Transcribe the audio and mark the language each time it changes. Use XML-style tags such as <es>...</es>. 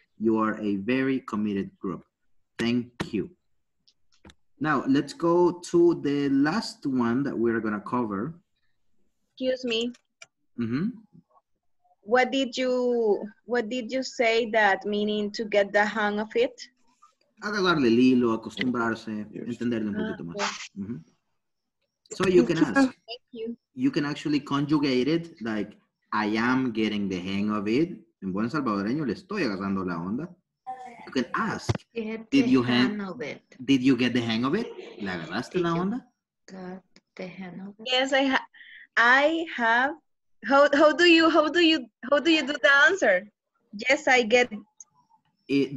<en>You are a very committed group. Thank you. Now, let's go to the last one that we're going to cover. Excuse me. Mm-hmm. What did you say that meaning to get the hang of it?</en> <es>Agarrarle el hilo, acostumbrarse, entenderle un poquito más.</es> <en>Mm-hmm. So you can ask. Thank you. You can actually conjugate it like, I am getting the hang of it.</en> <es>En buen salvadoreño, le estoy agarrando la onda.</es> <en>You can ask, did you get the hang of it?</en> <es>¿La agarraste la onda?</es> <en>Got the hang of it. Yes, I have. How do you do the answer? Yes, I get it.</en>